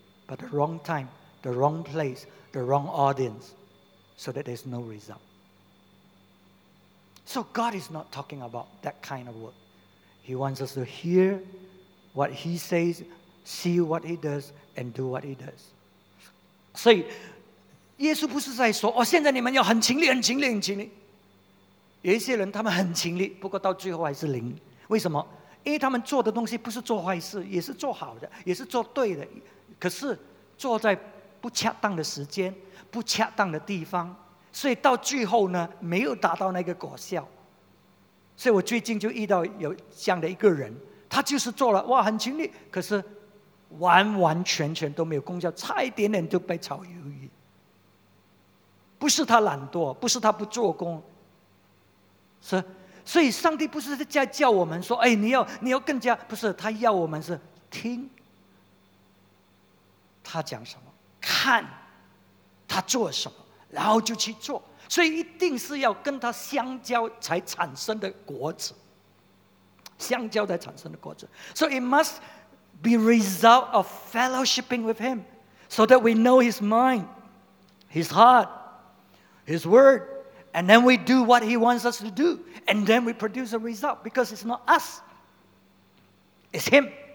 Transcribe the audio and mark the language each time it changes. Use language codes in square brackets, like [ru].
[en] But the wrong time, the wrong place, the wrong audience. So that there's no result. So God is not talking about that kind of work. He wants us to hear what he says, see what he does, and do what he does. [zh] 所以，耶稣不是在说，哦，现在你们要很勤力，很勤力，很勤力。有一些人，他们很勤力，不过到最后还是零。为什么？因为他们做的东西不是做坏事，也是做好的，也是做对的。可是做在不恰当的时间，不恰当的地方，所以到最后呢，没有达到那个果效。所以我最近就遇到有这样的一个人，他就是做了哇很勤力，可是完完全全都没有功效，差一点点就被炒鱿鱼。不是他懒惰，不是他不做工，是，所以上帝不是在叫我们说，哎，你要更加，不是，他要我们是听他讲什么，看他做什么，然后就去做。所以一定是要跟他相交才产生的果子，相交才产生的果子。 [en] So it must be result of fellowshipping with him, so that we know his mind, his heart, his word, and then we do what he wants us to do, and then we produce a result, because it's not us, it's him.